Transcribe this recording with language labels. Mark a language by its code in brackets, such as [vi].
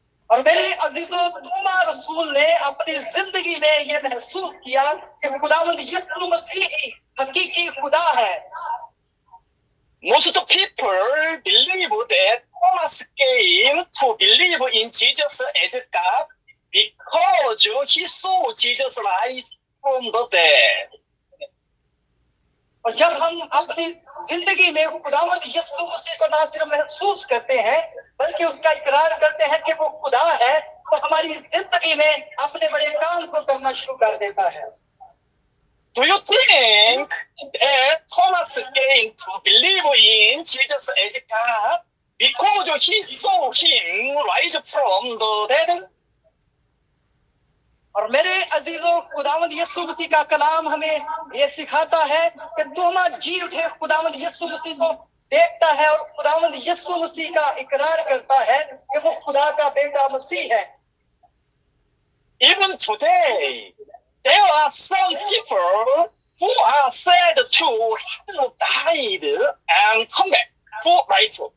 [hi] और मेरे अजीजों दूमा रसूल ने अपनी जिंदगी में यह महसूस किया कि खुदावंद यीशु मसीह हकीकी खुदा है. [en] Most of people believe that Thomas came to believe in Jesus as God because he saw Jesus rise from the dead. [hi] और जब हम अपनी जिंदगी में खुदावंद यीशु मसीह को ना सिर्फ महसूस करते हैं बल्कि उसका इकरार करते हैं कि वो खुदा है तो हमारी जिंदगी में अपने बड़े काम को करना शुरू कर देता है. [en] Do you think that Thomas came to believe in Jesus as God because he saw him rise from the dead? [hi] और मेरे अजीजों खुदावंद यीशु मसीह का कलाम हमें यह सिखाता है कि थॉमस जी उठे खुदावंद यीशु मसीह को देखता है और खुदावंद यीशु मसीह का इकरार करता है कि वो खुदा का बेटा मसीह है. [en] Even today, there are some people who are said to have died and come back for life.